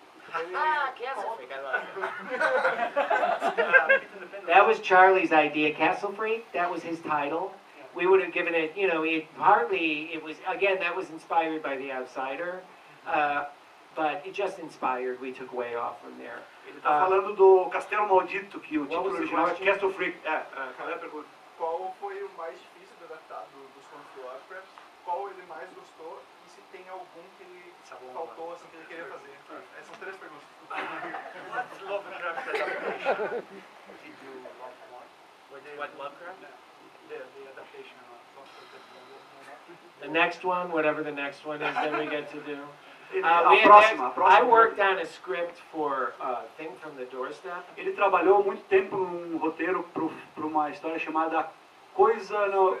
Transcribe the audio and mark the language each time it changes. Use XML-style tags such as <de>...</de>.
<en>Castle Freak. That was Charlie's idea, Castle Freak. That was his title. We would have given it, you know, it, partly it was, again, that was inspired by The Outsider. But it just inspired, we took way off from there.</en> <pt>Ele tá falando do Castelo Maldito, que o título original é Castle Freak. Qual foi o mais difícil de adaptar dos contos do Lovecraft? Qual ele mais gostou? E se tem algum que ele faltou, assim, que ele queria fazer? Essas três perguntas.</pt> <en>What's Lovecraft adaptation? Did you love one? What Lovecraft? The adaptation of Lovecraft. The next one, whatever the next one is that we get to do. I worked on a script for a thing from the doorstep.</en> <pt>Ele trabalhou muito tempo num roteiro para uma história chamada Coisa no.</pt>